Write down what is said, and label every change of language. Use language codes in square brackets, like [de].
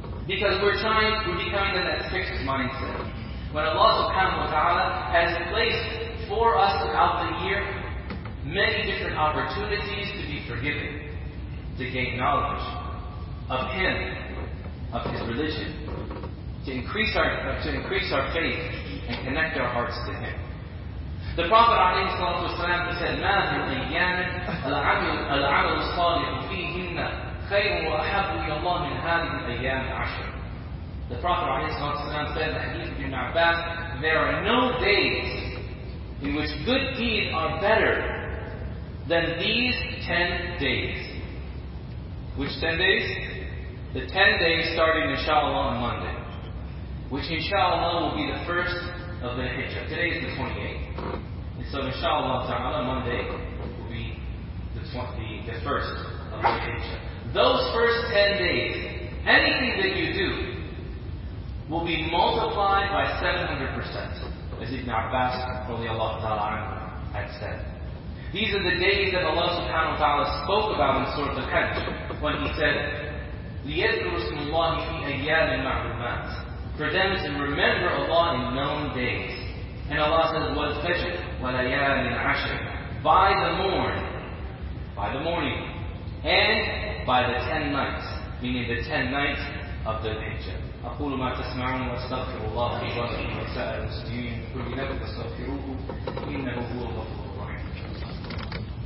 [en] Because we're becoming in that fixed mindset. When Allah subhanahu wa ta'ala has placed for us throughout the year many different opportunities to be forgiven, to gain knowledge of Him, of His religion, to increase our faith and connect our hearts to Him. The Prophet ﷺ said, [ar] مَا مِنْ أَيَّامٍ الْعَمَلُ الصَّالِحُ فِيهِنَّ خَيْرٌ وَأَحَبُّ إِلَى اللَّهِ مِنْ هَذِهِ الْأَيَّامِ الْعَشْرِ. [en] The Prophet ﷺ said in the Hadith of Ibn Abbas, there are no days in which good deeds are better than these 10 days. Which 10 days? The 10 days starting inshallah on Monday, which inshallah will be the first of the Hijjah. Today is the 28th. And so inshallah ta'ala, Monday will be the first of the Hijjah. Those first 10 days, anything that you do will be multiplied by 700%. As Ibn Abbas only Allah ta'ala had said. These are the days that Allah subhanahu wa ta'ala spoke about in Surah Al-Hajj when He said, [ar] لِيَذْكُرُ اسْمُ اللَّهِ فِي أَيَّامٍ مَعْلُومَاتٍ. [en] For them to remember Allah in known days. And Allah says, [ar] وَالْفَجْرِ وَلَيَالٍ عَشْرٍ. [en] By the morning, and by the 10 nights, meaning the 10 nights of the Hijjah. [ar] أقول ما تسمعون وأستغفر الله لي ولكم وسائر المسلمين كل لكم فاستغفروه إنه هو الغفور الرحيم.